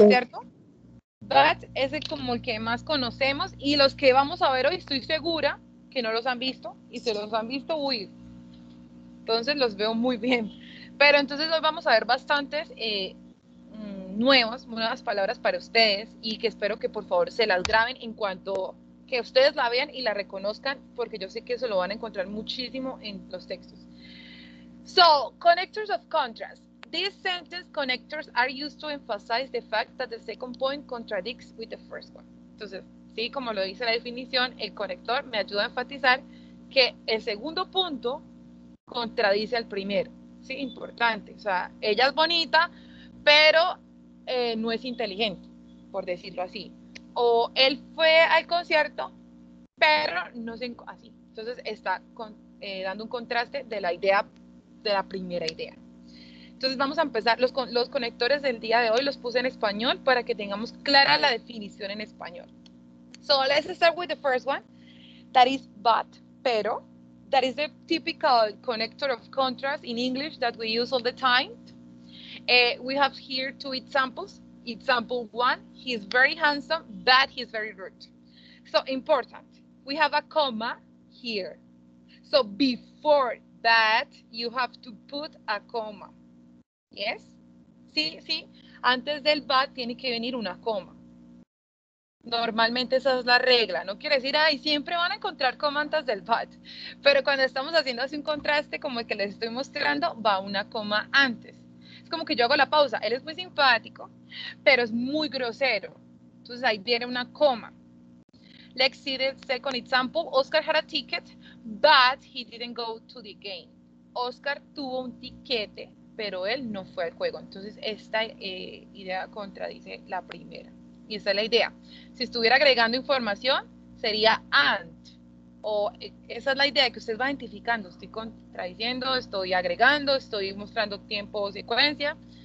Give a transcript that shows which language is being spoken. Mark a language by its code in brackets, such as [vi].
[es] ¿cierto? But es el como el que más conocemos y los que vamos a ver hoy, estoy segura que no los han visto y se los han visto, uy, entonces los veo muy bien. Pero entonces hoy vamos a ver bastantes nuevas palabras para ustedes y que espero que por favor se las graben en cuanto que ustedes la vean y la reconozcan, porque yo sé que eso lo van a encontrar muchísimo en los textos. [en] So, connectors of contrast. These sentence connectors are used to emphasize the fact that the second point contradicts with the first one. [es] Entonces, sí, como lo dice la definición, el conector me ayuda a enfatizar que el segundo punto contradice al primero. Sí, importante. O sea, ella es bonita, pero no es inteligente, por decirlo así. O él fue al concierto, pero no es así. Entonces, está dando un contraste de la idea, de la primera idea. Entonces vamos a empezar, los conectores del día de hoy los puse en español para que tengamos clara la definición en español. [en] So let's start with the first one, that is but, pero, that is the typical connector of contrast in English that we use all the time. We have here two examples. Example one, he's very handsome, but he's very rude. So important, we have a comma here. So before that, you have to put a comma. [es] Yes, sí, sí, antes del but tiene que venir una coma. Normalmente esa es la regla, no quiere decir, ay, siempre van a encontrar coma antes del but. Pero cuando estamos haciendo así un contraste como el que les estoy mostrando, va una coma antes. Es como que yo hago la pausa, él es muy simpático, pero es muy grosero. Entonces ahí viene una coma. [en] Let's see the second example, Oscar had a ticket, but he didn't go to the game. [es] Oscar tuvo un tiquete, pero él no fue al juego. Entonces, esta idea contradice la primera. Y esa es la idea. Si estuviera agregando información, sería and. O esa es la idea que usted va identificando. Estoy contradiciendo, estoy agregando, estoy mostrando tiempo o secuencia.